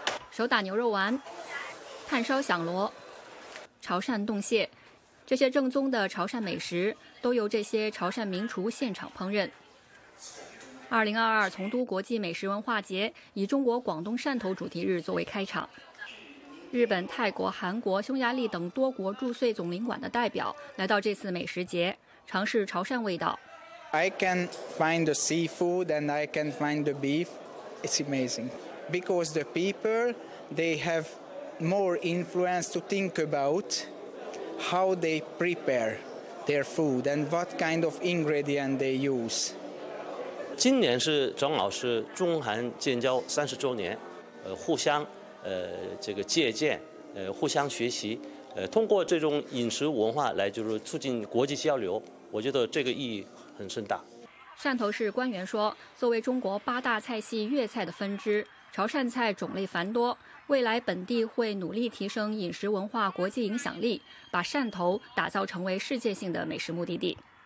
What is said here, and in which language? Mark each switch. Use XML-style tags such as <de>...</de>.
<zh>手打牛肉丸、炭烧响螺、潮汕冻蟹，这些正宗的潮汕美食都由这些潮汕名厨现场烹饪。 2022从都国际美食文化节以中国广东汕头主题日作为开场，日本、泰国、韩国、匈牙利等多国驻穗总领馆的代表来到这次美食节，尝试潮汕味道。</zh> <en>I can find the seafood and I can find the beef. It's amazing because the people they have more influence to think abouthow they prepare their food and what kind of ingredient they use.</en> <zh>今年是张老师中韩建交30周年，互相这个借鉴，互相学习，通过这种饮食文化来就是促进国际交流，我觉得这个意义很深大。汕头市官员说，作为中国八大菜系粤菜的分支，潮汕菜种类繁多，未来本地会努力提升饮食文化国际影响力，把汕头打造成为世界性的美食目的地。</zh>